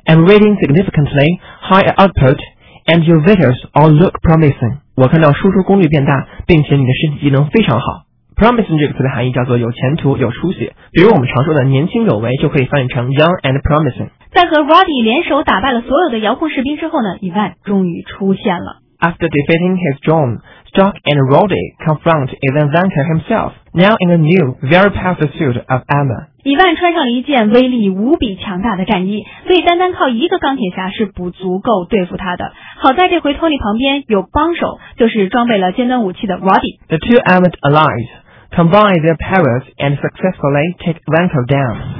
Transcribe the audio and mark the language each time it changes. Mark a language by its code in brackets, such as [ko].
[en] I'm reading significantly higher output and your vitals all look promising. [zh] 我看到输出功率变大，并且你的身体机能非常好。 Promising 这个词的含义叫做有前途、有出息。比如我们常说的年轻有为就可以翻译成 [en] young and promising。 [zh] 在和 Roddy 联手打败了所有的遥控士兵之后呢， Ivan 终于出现了。 [en] After defeating his drone, Stark and Roddy confront Ivan Vanker himself, now in a new, very powerful suit of armor. [zh] Ivan 穿上了一件威力无比强大的战衣，所以单单靠一个钢铁侠是不足够对付他的。好在这回 Tony 旁边有帮手，就是装备了尖端武器的 Roddy. [en] The two armored allies combine their powers and successfully take Vanker down.